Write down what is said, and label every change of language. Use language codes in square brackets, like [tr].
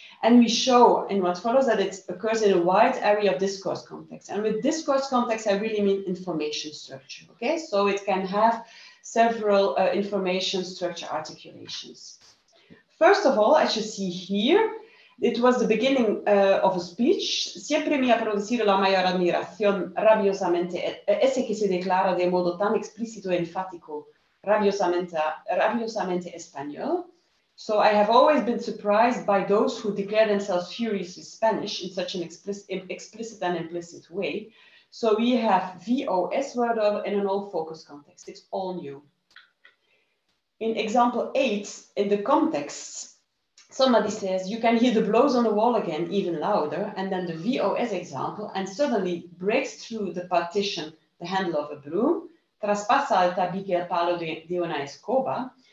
[en] And we show in what follows that it occurs in a wide area of discourse context. And with discourse context, I really mean information structure. Okay, so it can have several information structure articulations. First of all, as you see here, it was the beginning of a speech. [es] Siempre me ha producido la mayor admiración rabiosamente ese que se declara de modo tan explícito e enfático rabiosamente español. [en] So I have always been surprised by those who declare themselves furiously Spanish in such an explicit and implicit way. So we have VOS word order in an all focus context. It's all new. In example 8, in the context, somebody says, you can hear the blows on the wall again, even louder, and then the VOS example, and suddenly breaks through the partition, the handle of a broom, [es] traspasa el tabique el palo de una escoba.